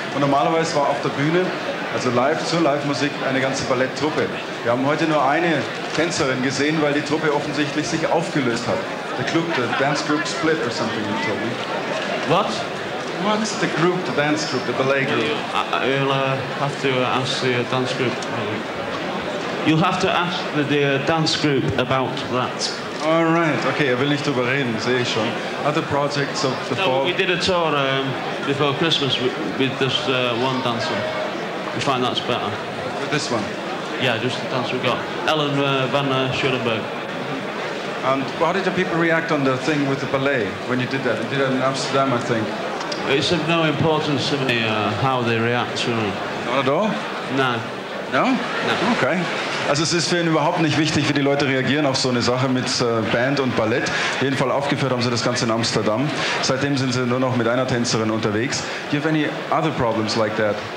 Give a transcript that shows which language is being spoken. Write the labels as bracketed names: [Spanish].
[German] Und normalerweise war auf der Bühne, also live zur Live-Musik, eine ganze Balletttruppe. Wir haben heute nur eine Tänzerin gesehen, weil die Truppe offensichtlich sich aufgelöst hat. [English] The club, the dance group split or something, you told me. What? What's the group, the dance group, the ballet group? I'll have to ask the dance group. You'll have to ask the dance group about that. All right, okay, [German] I will nicht drüber reden, sehe ich schon. [English] Other projects of the fall? No, we did a tour before Christmas with just one dancer. We find that's better. With this one? Yeah, just the dance we got. Ellen van Schulenburg. And how did the people react on the thing with the ballet when you did that? You did it in Amsterdam, I think. It's of no importance to me how they react to me. Not at all? No. No? No. Okay. [German] Also es ist für ihn überhaupt nicht wichtig, wie die Leute reagieren auf so eine Sache mit Band und Ballett. Jedenfalls aufgeführt haben sie das Ganze in Amsterdam. Seitdem sind sie nur noch mit einer Tänzerin unterwegs. [English] Do you have any other problems like that?